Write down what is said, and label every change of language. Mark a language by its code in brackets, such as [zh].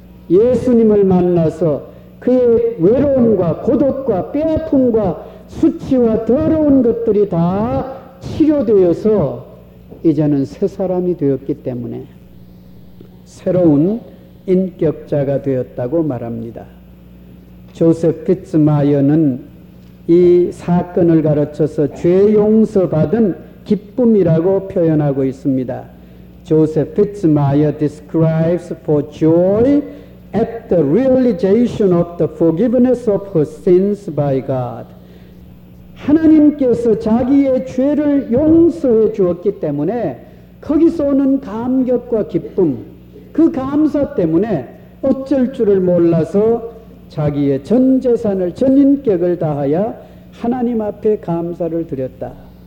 [ko] 예수님을 만나서 그의 외로움과 고독과 뼈아픔과 수치와 더러운 것들이 다 치료되어서 이제는 새 사람이 되었기 때문에 새로운 인격자가 되었다고 말합니다. 조셉 피츠마이어는 이 사건을 가르쳐서 죄 용서받은 기쁨이라고 표현하고 있습니다. [en] Joseph Fitzmyer describes for joy at the realization of the forgiveness of her sins by God. [ko] 하나님께서 자기의 죄를 용서해 주었기 때문에 거기서 오는 감격과 기쁨, 그 감사 때문에 어쩔 줄을 몰라서 자기의 전 재산을, 전 인격을 다하여 하나님 앞에 감사를 드렸다.